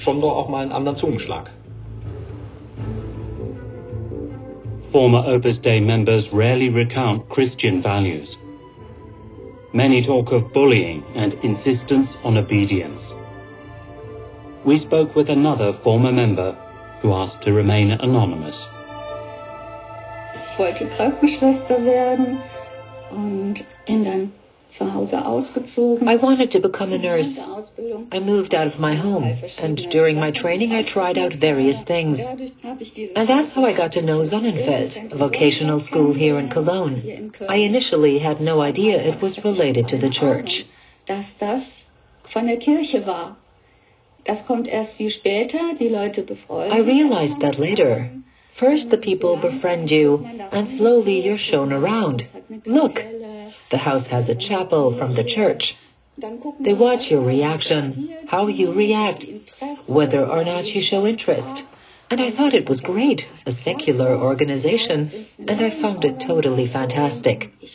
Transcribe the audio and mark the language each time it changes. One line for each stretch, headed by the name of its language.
English: Former Opus Dei members rarely recount Christian values. Many talk of bullying and insistence on obedience. We spoke with another former member who asked to remain anonymous.
German: Ich wollte Krankenschwester werden und bin dann zu Hause ausgezogen.
English: I wanted to become a nurse. I moved out of my home, and during my training I tried out various things. And that's how I got to know Sonnenfeld, a vocational school here in Cologne. I initially had no idea it was related to the church.
German: Dass das von der Kirche war. Das kommt erst viel später, die Leute befreuen.
English: I realized that later. First the people befriend you, and slowly you're shown around. Look, the house has a chapel from the church. They watch your reaction, how you react, whether or not you show interest. And I thought it was great, a secular organization, and I found it totally fantastic.